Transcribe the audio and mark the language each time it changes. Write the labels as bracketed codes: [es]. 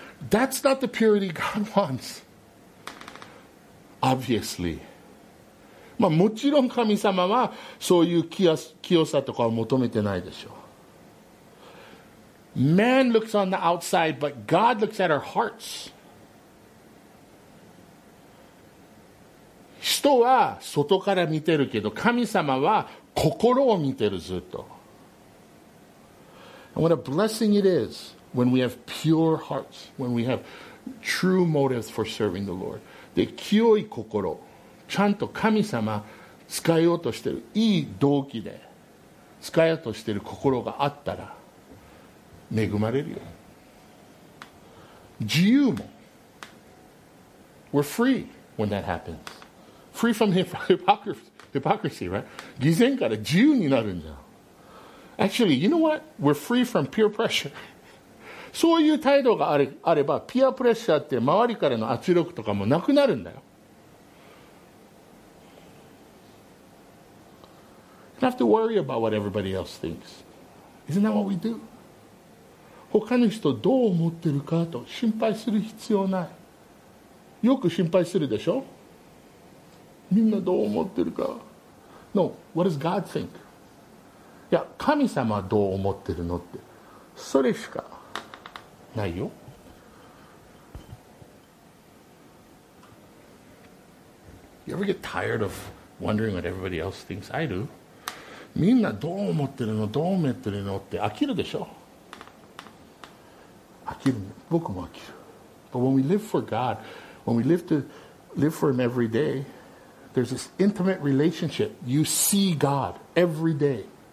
[en] That's not the purity God wants. Obviously. [ja] まあもちろん神様はそういう清さとかを求めてないでしょう。 [en] Man looks on the outside, but God looks at our hearts. [ja] 人は外から見てるけど、神様は心を見てる、ずっと。 [en] And what a blessing it is when we have pure hearts, when we have true motives for serving the Lord. [ja] で、清い心、ちゃんと神様使いようとしてる、いい動機で使いようとしてる心があったら、恵まれるよ。自由も。 [en] We're free when that happens. Free from hypocrisy, right? [ja] 偽善から自由になるんじゃん。 [en] Actually, you know what? We're free from peer pressure. [ja] そういう態度があれば、ピアプレッシャーって周りからの圧力とかもなくなるんだよ。 [en] You don't have to worry about what everybody else thinks. Isn't that what we do? [ja] 他の人どう思ってるかと心配する必要ない。よく心配するでしょ?みんなどう思ってるか。 [en] No, what does God think? [ja] いや、神様はどう思ってるのって、それしかないよ。 [en] You ever get tired of wondering what everybody else thinks? I do. [ja] みんなどう思ってるの、どう思ってるのって飽きるでしょ。飽きる、僕も飽きる。 [en] But when we live for God, when we live to live for him every day. There's this intimate relationship. You see God every day.